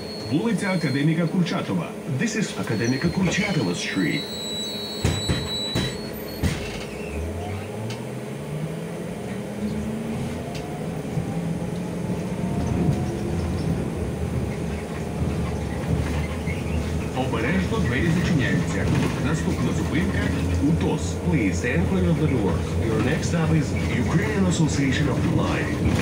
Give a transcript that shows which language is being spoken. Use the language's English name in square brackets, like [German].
[Ukrainian] Вулиця Академіка Курчатова. [English] This is Академіка Курчатова Street. [Ukrainian] Обережно двері зачиняються. Наступна зупинка – УТОС. [English] Please enter the door. Your next stop is Ukrainian Association of the Blind.